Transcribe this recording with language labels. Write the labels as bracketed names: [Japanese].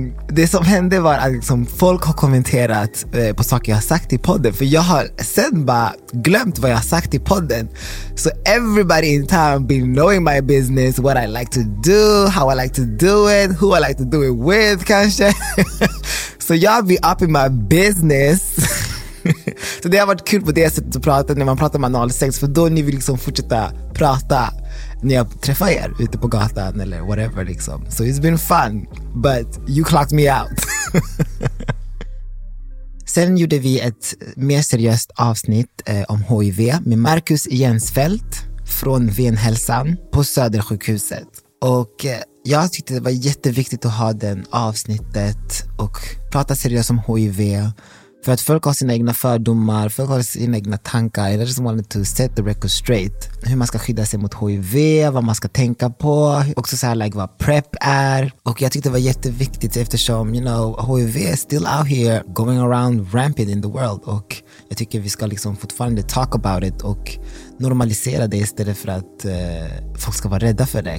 [Swedish] Det som hände var att liksom folk har kommenterat på saker jag har sagt i podden. För jag har sen bara glömt vad jag har sagt i podden. [English] So everybody in town be knowing my business, what I like to do, how I like to do it, who I like to do it with [Swedish] kanske. [English] So y'all be up in my business. [Swedish] Så det har varit kul på det sättet att prata, när man pratar med analsex. För då ni vill liksom fortsätta prata när jag träffar er ute på gatan eller whatever liksom. [English] So it's been fun, but you clocked me out. [Swedish] Sen gjorde vi ett mer seriöst avsnitt om HIV med Marcus Jensfeldt från Venhälsan på Södersjukhuset. Och jag tyckte det var jätteviktigt att ha den avsnittet och prata seriöst om HIV. För att folk har sina egna fördomar, folk har sina egna tankar. [English] I just wanted to set the record straight. [Swedish] Hur man ska skydda sig mot HIV, vad man ska tänka på. Också så här, like, vad PrEP är. Och jag tyckte det var jätteviktigt eftersom, [English] you know, HIV is still out here going around rampant in the world. [Swedish] Och jag tycker vi ska liksom fortfarande [English] talk about it [Swedish] och normalisera det istället för att folk ska vara rädda för det.